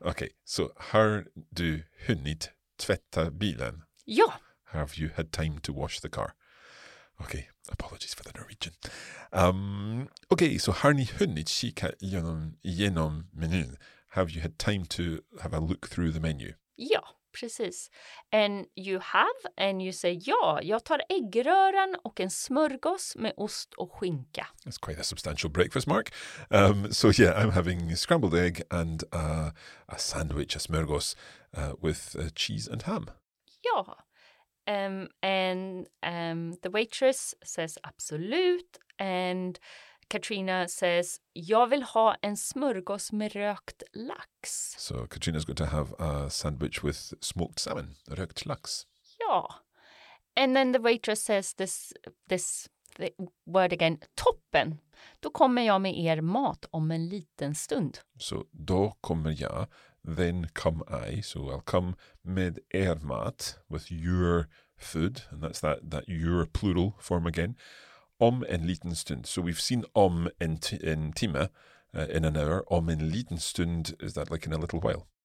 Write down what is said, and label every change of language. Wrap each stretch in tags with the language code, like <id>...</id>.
<sv>Okay, so har du hunnit tvätta bilen. Ja.</sv> <en>Have you had time to wash the car? Okay, apologies for the Norwegian.</en> <sv>Okay, so har ni hunnit kika igenom menyn?</sv> <en>Have you had time to have a look through the menu?</en> <sv>Ja, precis.</sv> <en>And you have, and you say</en> <sv>ja, jag tar äggröran och en smörgås med ost och skinka.</sv> <en>That's quite a substantial breakfast, Mark. So yeah, I'm having scrambled egg and a sandwich, a smörgås. With cheese and ham. Yeah. The waitress says, absolut. And Katrina says,</en> <sv>jag vill ha en smörgås med rökt lax.</sv> <en>So Katrina's going to have a sandwich with smoked salmon,</en> <sv>rökt lax.</sv> <en>Yeah. And then the waitress says this word again, toppen.</en> <sv>Då kommer jag med er mat om en liten stund. Så då kommer jag,</sv> <en>then come I, so I'll come</en> <sv>med er mat,</sv> <en>with your food, and that's that your plural form again,</en> <sv>om en liten stund.</sv> <en>So we've seen</en> <sv>om en timme,</sv> <en>in an hour,</en> <sv>om en liten stund,</sv> <en>is that like in a little while?</en>